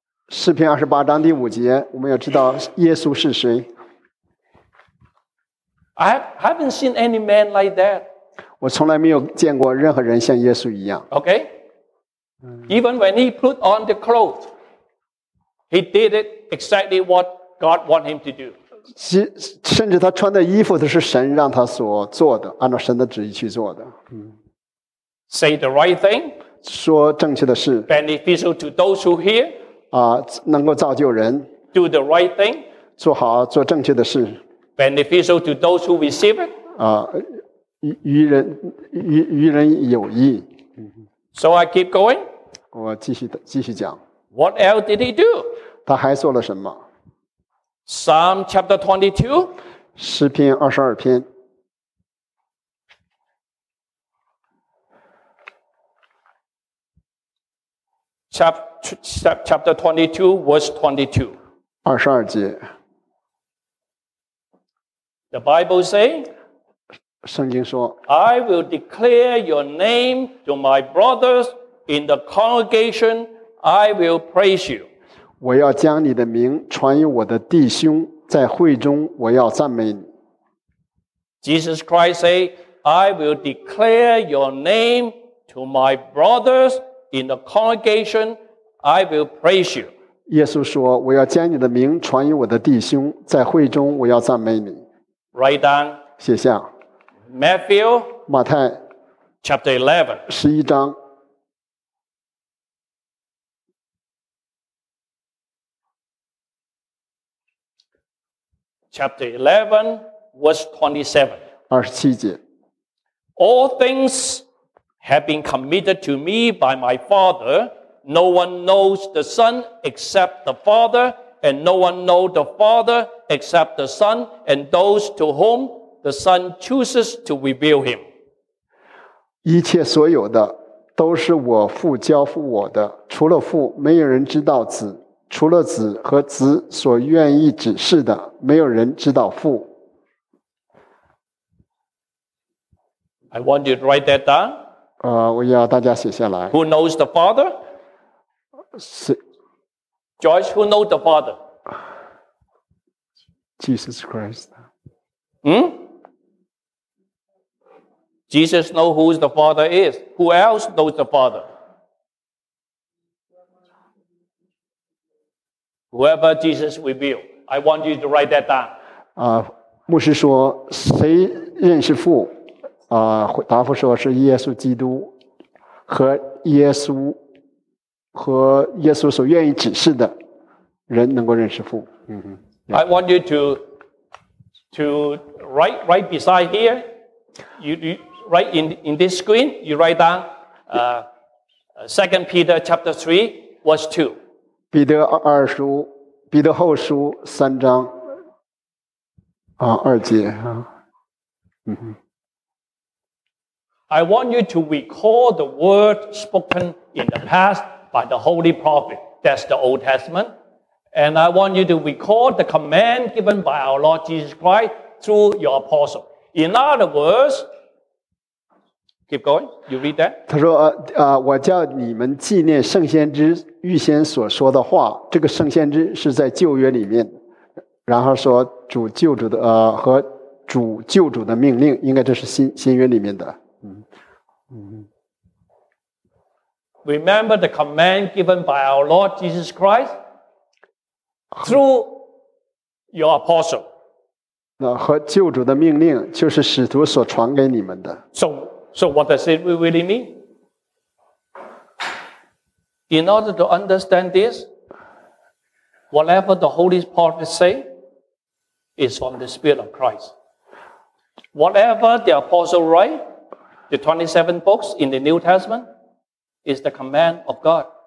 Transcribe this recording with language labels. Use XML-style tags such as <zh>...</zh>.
<zh>诗篇二十八章第五节，我们要知道耶稣是谁。</zh> <en>I haven't seen any man like that.</en> <zh>我从来没有见过任何人像耶稣一样。</zh> <en>Okay. Even when he put on the clothes, he did it exactly what God wanted him to do.</en> <zh>甚至他穿的衣服都是神让他所做的，按照神的旨意去做的。</zh> <en>Say the right thing.</en> <zh>说正确的事。</zh> <en>Beneficial to those who hear.</en> <zh>啊，能够造就人。</zh> <en>Do the right thing.</en> <zh>做好做正确的事。</zh> <en>Beneficial to those who receive it.</en> <zh>与人有益。</zh> <en>So I keep going.</en> <zh>我继续讲。</zh> <en>What else did he do?</en> <zh>他还做了什么</zh> <en>？Psalm chapter 22.</en> <zh>诗篇二十二篇。</zh> <en>Chapter 22, verse 22.</en> <zh>二十二节。</zh> <en>The Bible say,</en> <zh>圣经说</zh> <en>I will declare your name to my brothers in the congregation, I will praise you.</en> <zh>我要将你的名传于我的弟兄，在会中我要赞美你。</zh> <en>Jesus Christ said, I will declare your name to my brothers in the congregation, I will praise you.</en> <zh>耶稣说，我要将你的名传于我的弟兄，在会中我要赞美你。</zh> <en>Write down.</en> <zh>写下。</zh> <en>Matthew.</en> <zh>马太。</zh> <en>Chapter 11.</en> <zh>十一章。</zh> <en>Chapter 11, verse 27.</en> <zh>27节。</zh> <en>All things have been committed to me by my Father. No one knows the Son except the Father, and no one knows the Father except the Son, and those to whom the Son chooses to reveal him.</en> <zh>一切所有的都是我父交付我的，除了父，没有人知道子。除了子和子所愿意指示的，没有人知道父。</zh> <en>I want you to write that down.</en> <zh>我要大家写下来。</zh> <en>Who knows the Father? George, who knows the Father? Jesus Christ. Jesus knows who the Father is. Who else knows the Father? Whoever Jesus revealed, I want you to write that down.</en> <zh>牧师说谁认识父？答复说是耶稣基督和耶稣所愿意指示的人能够认识父。</zh> <en>I want you to write beside here. You write in this screen. You write down. 2 Peter chapter 3 verse 2. 彼得二书，彼得后书三章，二节 I want you to recall the word spoken in the past by the Holy Prophet. That's the Old Testament. And I want you to recall the command given by our Lord Jesus Christ through your apostle. In other words, keep going. You read that.</en> <zh>他说，我叫你们纪念圣先知。预先所说的话，这个圣先知是在旧约里面，然后说主救主的和主救主的命令，应该这是新约里面的。</zh> <en>Remember the command given by our Lord Jesus Christ through your apostle.</en> <zh>那和救主的命令就是使徒所传给你们的。</zh> <en>So what does it really mean? In order to understand this, whatever the Holy Prophet say is from the Spirit of Christ. Whatever the Apostle write, the 27 books in the New Testament, is the command of God.</en>